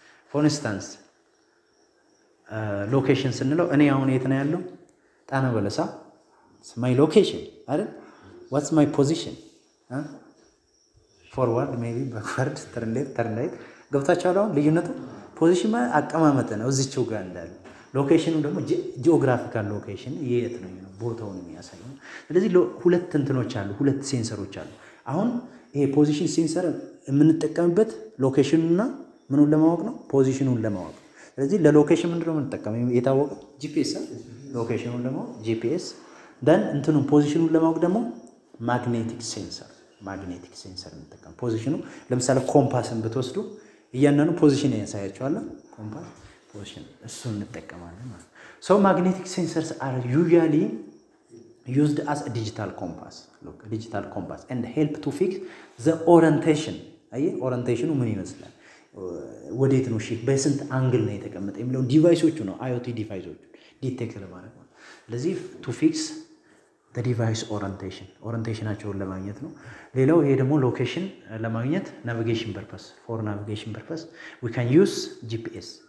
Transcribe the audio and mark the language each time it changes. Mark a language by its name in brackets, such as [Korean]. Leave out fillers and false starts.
[English] For instance, [Amharic] location ስንለው እኔ አሁን የት ነኝ ያለው? ጣና በለሳ. [English] It's my location, [Amharic] አይደል? [English] What's my position? Forward, maybe backward, turn left, turn right. [Amharic] ገብታችኋል አሁን ልዩነቱ? Position ማለት አቀማመጥ ነው እዚህቸው ጋር እንዳለው። ሎኬሽኑ ደግሞ ጂኦግራፊካል ሎኬሽን የት ነው የሚሆነው ቦታውን የሚያሳይ ነው። ስለዚህ ሁለት እንትኖች አሉ፣ ሁለት ሴንሰሮች አሉ። አሁን ይሄ ፖዚሽን ሴንሰር የምንጠቀምበት ሎኬሽኑና ምኑን ለማወቅ ነው? ፖዚሽኑን ለማወቅ። ስለዚህ ለሎኬሽን ምንድን ነው የምንጠቀመው? የታወቀ ጂፒኤስ። ሎኬሽኑን ለማወቅ ጂፒኤስ፣ ደን እንትኑ ፖዚሽኑን ለማወቅ ደግሞ ማግኔቲክ ሴንሰር እንጠቀም። ፖዚሽኑ ለምሳሌ ኮምፓስን ብትወስዱ እያንዳንዱ ፖዚሽን ያሳያቸዋል ኮምፓስ position እሱን እንጠቀማለን ማለት ነው። [English] So magnetic sensors are usually used as a digital compass. Look, digital compass and help to fix the orientation. [Amharic] አይ orientationu ምን ይመስላል? ወዴት ነው ሺፍ በስንት አንግል ነው የተቀመጠ የሚለው ዲቫይሶቹ ነው IoT ዲቫይሶቹ detect ለማድረግ ነው። ስለዚህ [English] to fix the device [Amharic] orientationአቸውን ለማግኘት ነው። ሌላው ይሄ ደግሞ location ለማግኘት [English] navigation purpose for navigation purpose we can use GPS.